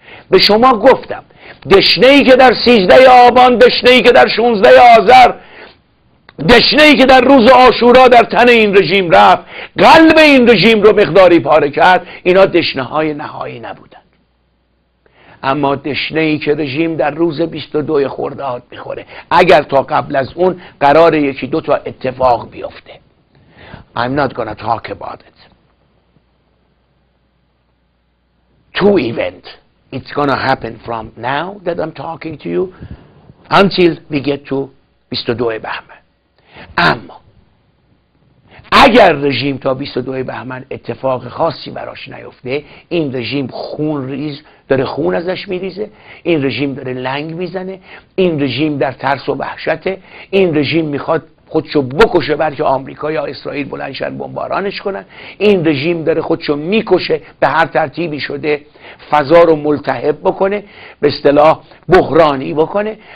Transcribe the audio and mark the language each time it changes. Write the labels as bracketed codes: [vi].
[fa] به شما گفتم دشنه ای که در 13 آبان، دشنه ای که در 16 آذر، دشنه ای که در روز عاشورا در تن این رژیم رفت، قلب این رژیم رو مقداری پاره کرد، اینا دشنه های نهایی نبودند. اما دشنه ای که رژیم در روز 22 خرداد میخوره، اگر تا قبل از اون قرار یکی دو تا اتفاق بیفته، [en] I'm not gonna talk about it. Two event. It's gonna happen from now that I'm talking to you until we get to 22 بهمن. [fa] اما اگر رژیم تا 22 بهمن اتفاق خاصی براش نیفته، این رژیم خون ریز داره، خون ازش میریزه، این رژیم داره لنگ میزنه، این رژیم در ترس و وحشته، این رژیم میخواد خودشو بکشه برکه آمریکا یا اسرائیل بلندشن بمبارانش کنن، این رژیم داره خودشو میکشه به هر ترتیبی شده فضا رو ملتهب بکنه، به اصطلاح بحرانی بکنه.